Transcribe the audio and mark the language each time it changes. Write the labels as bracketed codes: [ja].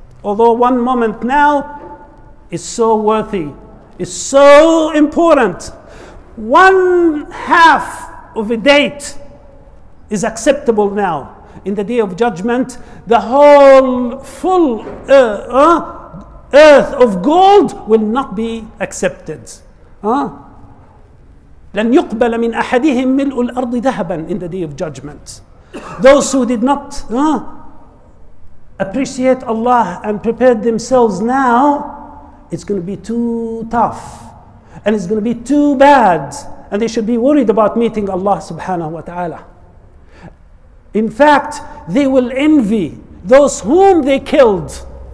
[en] Although one moment now is so worthy, is so important. One half of a date is acceptable now. in the day of judgment, the whole full earth of gold will not be accepted. [ar] لن يقبل من أحدهم ملء الأرض ذهبا [en] in the day of judgment. Those who did not appreciate Allah and prepared themselves now, it's going to be too tough and it's going to be too bad, and they should be worried about meeting Allah subhanahu wa ta'ala. In fact, they will envy those whom they killed.